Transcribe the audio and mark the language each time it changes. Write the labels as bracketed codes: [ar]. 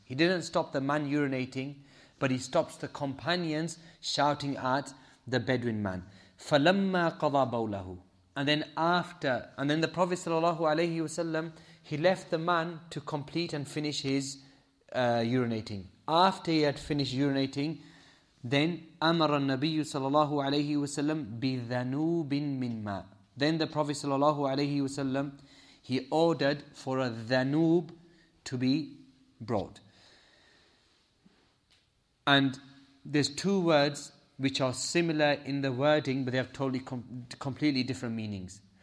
[en] He didn't stop the man urinating, but he stops the companions shouting at the Bedouin man. [ar] فَلَمَّا قَضَى بَوْلَهُ. [en] And then the Prophet صلى الله عليه وسلم, he left the man to complete and finish his urinating. After he had finished urinating, then [ar] أَمَرَ النَّبِيُّ صلى الله عليه وسلم بِذَنُوبٍ مِنْ مَا. [en] Then the Prophet sallallahu alaihi wasallam, he ordered for a dhanub to be brought. And there's two words which are similar in the wording, but they have totally completely different meanings.